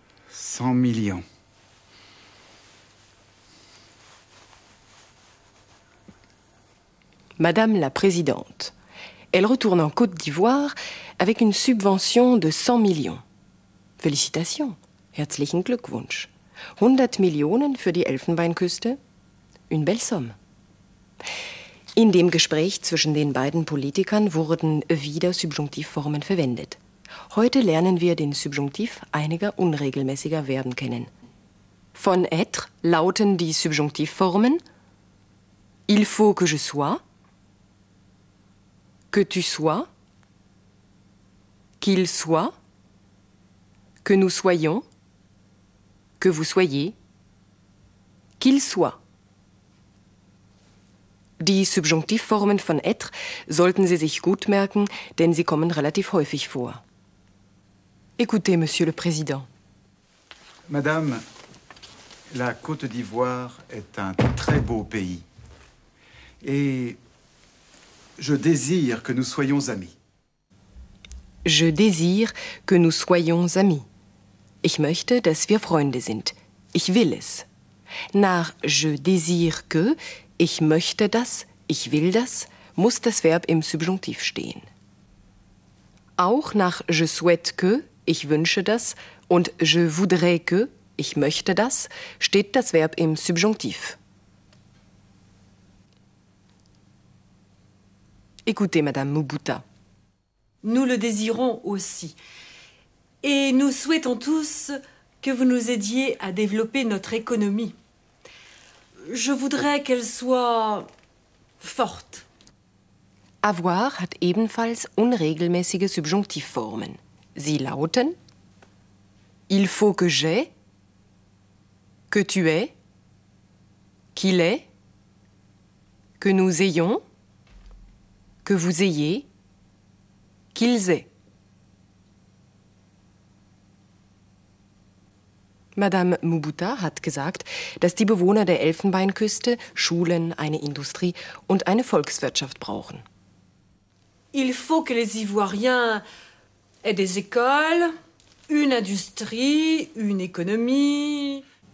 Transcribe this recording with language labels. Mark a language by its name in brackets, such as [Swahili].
[French] Cent millions. Madame la Présidente, elle retourne en Côte d'Ivoire avec une subvention de 100 millions. Félicitations. [German] Herzlichen Glückwunsch. 100 Millionen für die Elfenbeinküste. [French] Une belle somme. [German] In dem Gespräch zwischen den beiden Politikern wurden wieder Subjunktivformen verwendet. Heute lernen wir den Subjunktiv einiger unregelmäßiger Verben kennen. Von être lauten die Subjunktivformen [French] Il faut que je sois. Que tu sois, qu'il soit, que nous soyons, que vous soyez, qu'il soit. [German] Die Subjunktivformen von être sollten Sie sich gut merken, denn sie kommen relativ häufig vor. [French] Écoutez, Monsieur le Président. Madame, la Côte d'Ivoire est un très beau pays. Et je désire que nous soyons amis. Je désire que nous soyons amis. [German] Ich möchte, dass wir Freunde sind. Ich will es. Nach [French] je désire que, [German] ich möchte das, ich will das, muss das Verb im Subjunktiv stehen. Auch nach [French] je souhaite que, [German] ich wünsche das, und [French] je voudrais que, [German] ich möchte das, steht das Verb im Subjunktiv. [French] Écoutez, Madame Mubuta. Nous le désirons aussi. Et nous souhaitons tous que vous nous aidiez à développer notre économie. Je voudrais qu'elle soit forte. [German] Avoir hat ebenfalls unregelmäßige Subjunktivformen. Sie lauten: [French] Il faut que j'ai, que tu aies, qu'il ait, que nous ayons. Que vous ayez, qu'ils aient. [German] Madame Mubuta hat gesagt, dass die Bewohner der Elfenbeinküste Schulen, eine Industrie und eine Volkswirtschaft brauchen. [French] Il faut que les Ivoiriens aient des écoles, une industrie, une économie.